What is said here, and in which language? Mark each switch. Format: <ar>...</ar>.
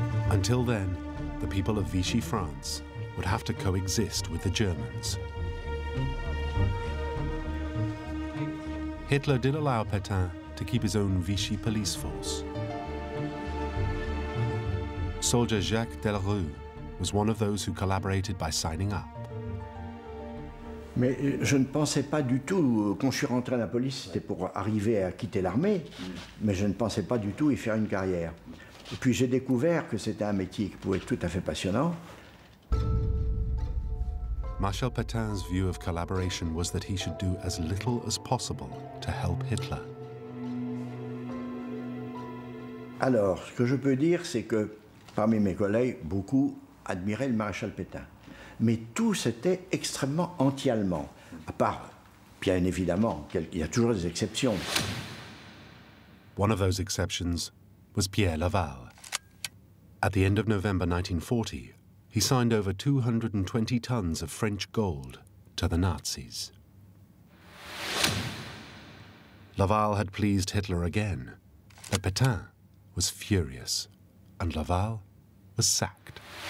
<en>Until then, the people of Vichy France would have to coexist with the Germans. Hitler did allow Pétain to keep his own Vichy police force. Soldier Jacques Delrue was one of those who collaborated by signing up.</en> <fr>Mais je ne pensais pas du tout, quand je suis rentré à la police, c'était pour arriver à quitter l'armée, mais je ne pensais pas du tout y faire une carrière. Et puis j'ai découvert que c'était un métier qui pouvait être tout à fait passionnant.</fr> <en>Marshal Pétain's view of collaboration was that he should do as little as possible to help Hitler.</en> <fr>Alors, ce que je peux dire, c'est que parmi mes collègues, beaucoup admiraient le maréchal Pétain. Mais tous étaient extrêmement anti-allemands, à part, bien évidemment, il y a toujours des exceptions.</fr> <en>One of those exceptions was Pierre Laval. At the end of November 1940, he signed over 220 tons of French gold to the Nazis. Laval had pleased Hitler again, but Pétain was furious, and Laval was sacked.</en>